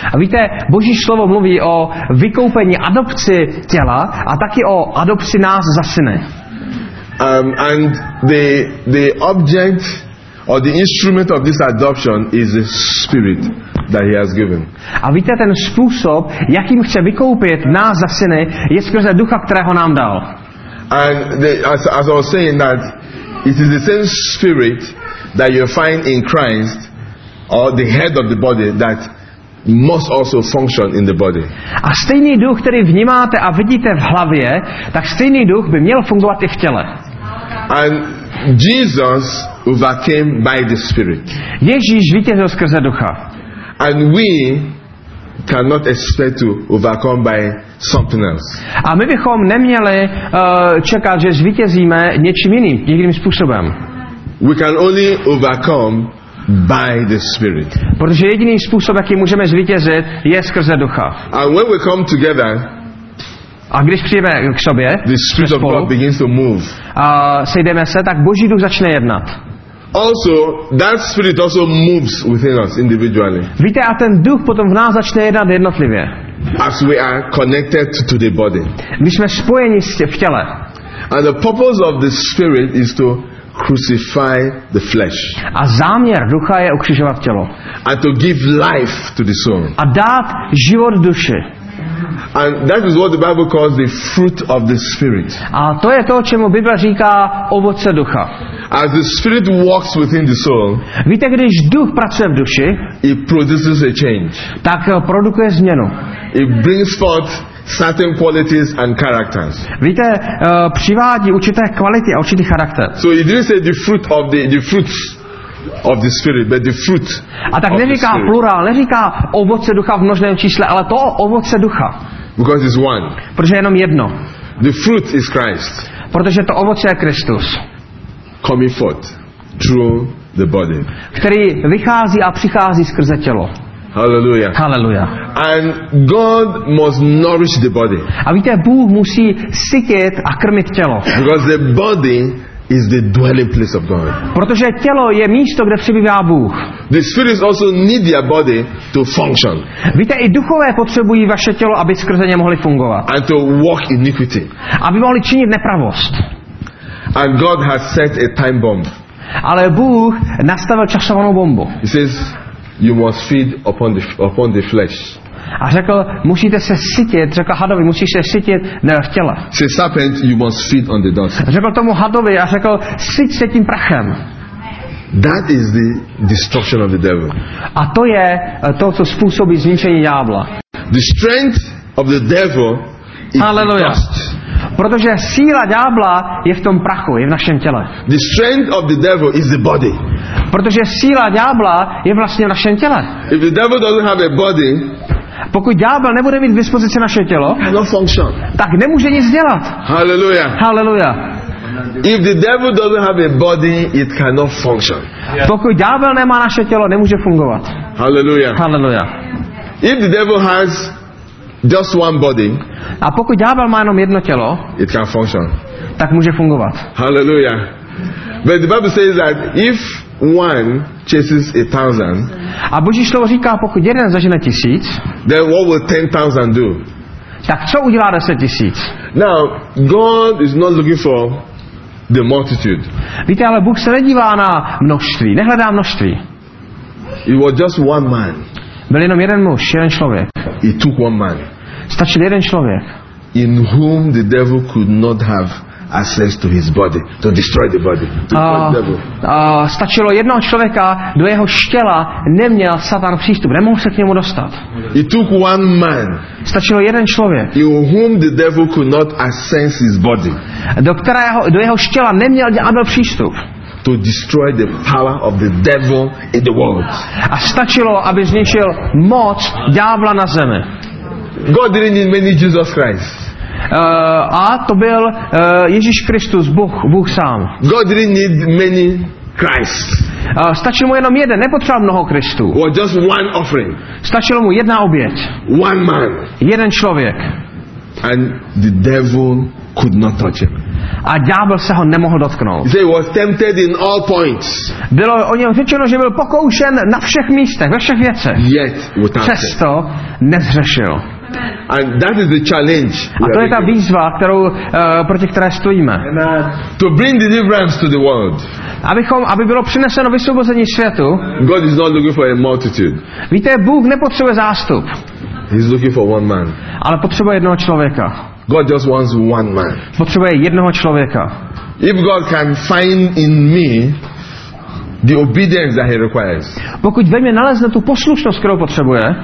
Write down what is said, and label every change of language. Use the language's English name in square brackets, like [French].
[Czech] A víte, Boží slovo mluví o vykoupení, adopci těla a taky o adopci nás za syny. [English] And the object or the instrument of this adoption is the spirit that he has given. [Czech] A víte, ten způsob, jakým chce vykoupit nás za syny, je skrze ducha, kterého nám dal. [English] And as I was saying that it is the same spirit that you find in Christ or the head of the body that must also function in the body. [Czech] A stejný duch, který vnímáte a vidíte v hlavě, tak stejný duch by měl fungovat i v těle. [English] And Jesus overcame by the spirit. [Czech] Ježíš vítězil skrze ducha. [English] And we cannot expect to overcome by something else. [Czech] A my bychom neměli čekat, že zvítězíme něčím jiným, jiným způsobem. [English] We can only overcome by the Spirit. [Czech] Protože jediný způsob, jaký můžeme zvítězit, je skrze ducha. [English] And when we come together, [Czech] a když přijdeme k sobě, [English] the Spirit of God begins to move. [Czech] A sejdeme se, tak Boží duch začne jednat. [English] Also, that Spirit also moves within us individually. [Czech] Víte, a ten duch potom v nás začne jednat jednotlivě. [English] As we are connected to the body. [Czech] My jsme spojeni v těle. [English] And the purpose of the Spirit is to crucify the flesh. [Czech] A záměr ducha je ukřižovat tělo. [English] And to give life to the soul. [Czech] A dát život duši. [English] And that is what the Bible calls the fruit of the Spirit. [Czech] A to je to, čemu Bible říká ovoce ducha. [English] As the Spirit walks within the soul, [Czech] víte, když duch pracuje v duši, [English] it produces a change. [Czech] Tak produkuje změnu. [English] It brings forth certain qualities and characters. [Czech] Víte, přivádí určité kvality a určitý charakter. [English] So it didn't say the fruit of the fruits of the spirit, but the fruit. [Czech] A tak neříká plural, neříká ovoce ducha v množném čísle, ale to ovoce ducha. [English] Because it's one. [Czech] Protože je jenom jedno. [English] The fruit is Christ. [Czech] Protože to ovoce je Kristus. [English] Coming forth through the body. [Czech] Který vychází a přichází skrze tělo. [English] Hallelujah. [Czech] Hallelujah. [English] And God must nourish the body. [Czech] A víte, Bůh musí sytit a krmit tělo. [English] Because the body is the dwelling place of God. [Czech] Protože tělo je místo, kde přebývá Bůh. [English] The spirits also need their body to function. [Czech] Víte, i duchové potřebují vaše tělo, aby skrze ně mohli fungovat. [English] And to walk iniquity. [Czech] Aby mohli činit nepravost. [English] And God has set a time bomb. [Czech] Ale Bůh nastavil časovanou bombu. [English] He says, you must feed upon the flesh. [Czech] A řekl, musíte se sytit, řekl hadovi, musíš se sytit v těle. [English] Say, serpent, you must feed on the dust. [Czech] Řekl tomu hadovi a řekl, syť se tím prachem. [English] That is the destruction of the devil. [Czech] A to je to, co způsobí zničení ďábla. [English] The strength of the devil is Hallelujah. The dust. [Czech] Protože síla ďábla je v tom prachu, je v našem těle. [English] The strength of the devil is the body. [Czech] Protože síla ďábla je vlastně v našem těle. [English] If the devil doesn't have a body, [Czech] pokud ďábel nebude mít k dispozici naše tělo, tak nemůže nic dělat. [English] Hallelujah. [Czech] Hallelujah. [English] If the devil doesn't have a body, it cannot function. [Czech] Pokud ďábel nemá naše tělo, nemůže fungovat. [English] Hallelujah. [Czech] Hallelujah. [English] If the devil has just one body, [Czech] a pokud ďábel má jenom jedno tělo, [English] it can function. [Czech] Tak může fungovat. [English] Hallelujah. But the Bible says that if one chases a thousand, [Czech] a Boží slovo říká, pokud jeden zažene tisíc, [English] then what will 10,000 do? [Czech] Tak co udělá 10,000? [English] Now, God is not looking for the multitude. [Czech] Víte, ale Bůh se nedívá na množství, nehledá množství. [English] It was just one man. [Czech] Byl jenom jeden muž, jeden člověk. [English] It took one man. [Czech] Stačil jeden člověk. [English] In whom the devil could not have access to his body, to destroy the body, to kill the devil. [Czech] Stačilo jednoho člověka, do jeho štěla neměl Satan přístup, nemohl se k němu dostat. [English] It took one man. [Czech] Stačilo jeden člověk. [English] In whom the devil could not access his body. [Czech] Do jeho štěla neměl ďábel přístup. [English] To destroy the power of the devil in the world. [Czech] A stačilo, aby zničil moc ďábla na zemi. [English] God didn't need many Jesus Christ. [Czech] A to byl Ježíš Kristus, Bůh sám. [English] God didn't need many Christ. [Czech] Stačil mu jenom jeden, nepotřeboval mnoho Kristů. [English] Or just one offering. [Czech] Stačilo mu jedna oběť. [English] One man. [Czech] Jeden člověk. [English] And the devil could not touch him. [Czech] A ďábel se ho nemohl dotknout. [English] He was tempted in all points. [Czech] Bylo o něm řečeno, že byl pokoušen na všech místech, ve všech věcech. [English] Yet without sin. [Czech] Přesto nezřešil. [English] And that is the challenge. [Czech] A to je ta výzva, kterou proti které stojíme. [English] To bring deliverance to the world. [Czech] Aby bylo přineseno vysvobození světu. [English] God is not looking for a multitude. [Czech] Víte, Bůh nepotřebuje zástup. [English] He's looking for one man. [Czech] Ale potřebuje jednoho člověka. [English] God just wants one man. [Czech] Potřebuje jednoho člověka. [English] If God can find in me the obedience that he requires. [Czech] Pokud ve mně nalezne tu poslušnost, kterou potřebuje,